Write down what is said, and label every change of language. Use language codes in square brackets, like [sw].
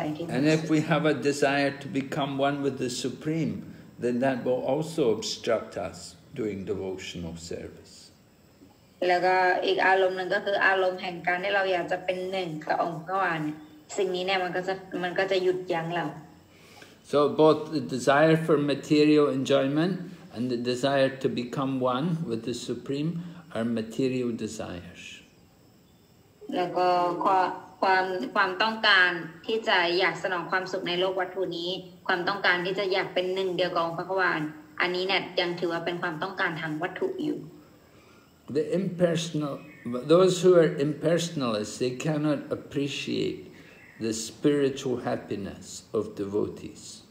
[en] And if we have a desire to become one with the Supreme, then that will also obstruct us doing devotional service. [th] แล้วก็อีกอารมณ์หนึ่งก็คืออารมณ์แห่งการที่เราอยากจะเป็นหนึ่งกับองค์พระวานสิ่งนี้เนี่ยมันก็จะหยุดยั้งเรา [en] So both the desire for material enjoyment and the desire to become one with the Supreme are material desires [th] แล้วก็ความต้องการที่จะอยากสนองความสุขในโลกวัตถุนี้ความต้องการที่จะอยากเป็นหนึ่งเดียวกับองค์พระวานอันนี้เนี่ยยังถือว่าเป็นความต้องการทางวัตถุอยู่ [en] The impersonal, those who are impersonalists, they cannot appreciate the spiritual happiness of devotees.